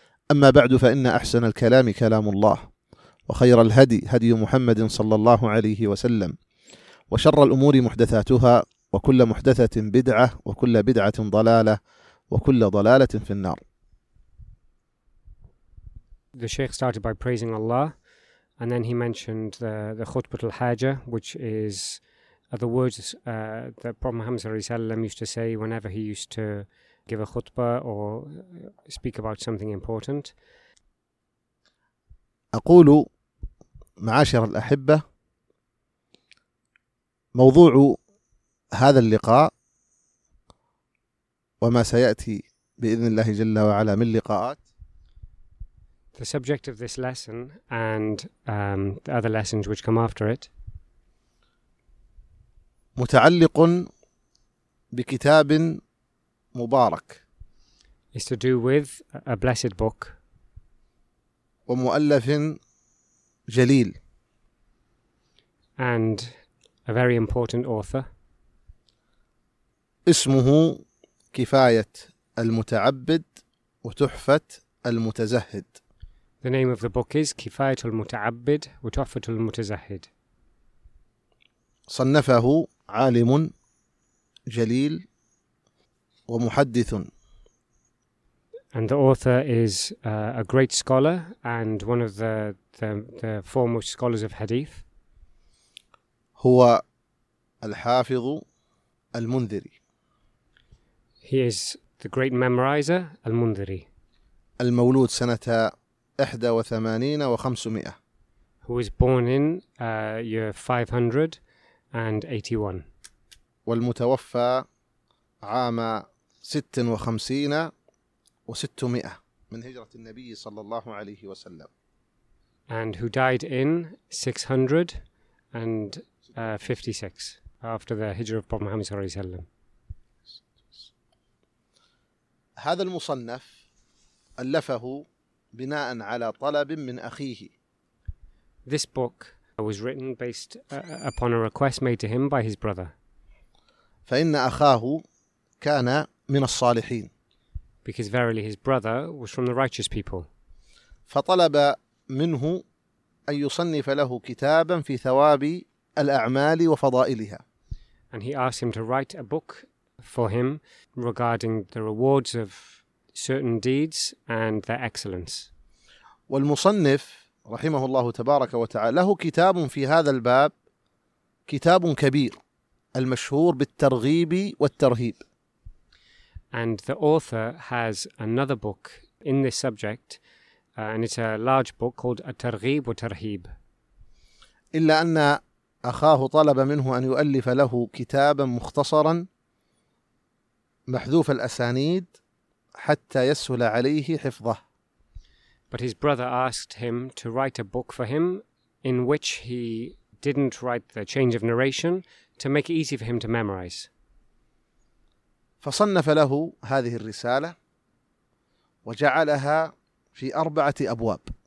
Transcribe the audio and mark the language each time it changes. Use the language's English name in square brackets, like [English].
[Arabic] أما بعد، فإن أحسن الكلام كلام الله، وخير الهدي هدي محمد صلى الله عليه وسلم، وشر الأمور محدثاتها، وكل محدثة بدعة، وكل بدعة ضلالة، وكل ضلالة في النار. [English] The Sheikh started by praising Allah, and then he mentioned the khutbat al-hajah, which is are the words that Prophet Muhammad [Arabic] sallallahu alaihi wasallam [English] used to say whenever he used to give a khutbah or speak about something important. [Arabic] أقول معاشر الأحبة، موضوع هذا اللقاء وما سيأتي بإذن الله جل وعلا من لقاءات. [English] The subject of this lesson and the other lessons which come after it [Arabic] متعلق بكتاب مبارك. [English] It's to do with a blessed book. [Arabic] ومؤلف جليل. [English] And a very important author. [Arabic] اسمه كفاية المتعبد وتحفة المتزهد. [English] The name of the book is كفاية المتعبد وتحفة المتزهد. [Arabic] صنفه عالم جليل ومحدث. [English] And the author is a great scholar and one of the foremost scholars of hadith. [Arabic] هو الحافظ المنذري. [English] He is the great memorizer, المنذري. [Arabic] المولود سنة 81 و500. [English] Who was born in year 581. [Arabic] والمتوفى عام 56 و600 من هجرة النبي صلى الله عليه وسلم. [English] And who died in 656 after the hijrah of Prophet Muhammad [Arabic] صلى الله عليه وسلم. هذا المصنف ألفه بناء على طلب من أخيه. [English] This book was written based upon a request made to him by his brother. [Arabic] فإن أخاه كان من الصالحين. [English] Because verily his brother was from the righteous people. [Arabic] فطلب منه أن يصنف له كتابا في ثواب الأعمال وفضائلها. [English] And he asked him to write a book for him regarding the rewards of certain deeds and their excellence. [Arabic] والمصنف رحمه الله تبارك وتعالى له كتاب في هذا الباب، كتاب كبير المشهور بالترغيب والترهيب. [English] And the author has another book in this subject, and it's a large book called At-Targhib wa Tarhib. [Arabic] إلا أن أخاه طلب منه أن يؤلف له كتابا مختصرا محذوف الأسانيد حتى يسهل عليه حفظه. [English] But his brother asked him to write a book for him in which he didn't write the change of narration to make it easy for him to memorize. [Arabic] فصنف له هذه الرسالة وجعلها في أربعة أبواب.